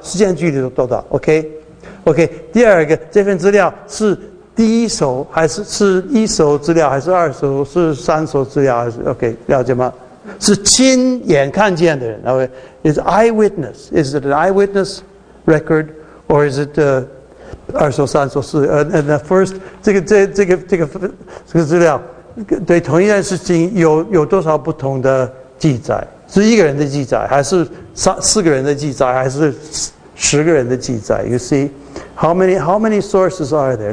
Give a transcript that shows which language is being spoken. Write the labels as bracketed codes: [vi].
[zh] 时间距离多大 ？OK，OK。第二个，这份资料是第一手还是一手资料，还是二手，是三手资料，还是 OK？了解吗？是亲眼看见的人 ，OK？ [en] Is eyewitness? Is it an eyewitness record, or is it [zh] 二手、三手、四？ [en] And the first [zh] 这个资料，对同一件事情有多少不同的记载？是一个人的记载，还是四个人的记载，还是10个人的记载 ？ [en] You see, how many sources are there?